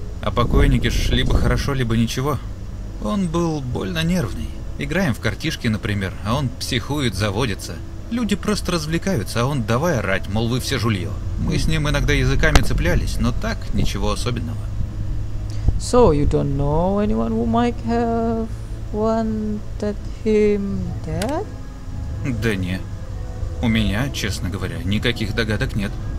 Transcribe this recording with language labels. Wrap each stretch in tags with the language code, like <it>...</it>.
<ru>А покойники ж либо хорошо, либо ничего. Он был больно нервный. Играем в картишки, например, а он психует, заводится. Люди просто развлекаются, а он давай орать, мол, вы все жульё. Мы с ним иногда языками цеплялись, но так, ничего особенного.</ru> <en>So you don't know anyone who might have wanted him dead?</en> <ru>Да не. У меня, честно говоря, никаких догадок нет.</ru>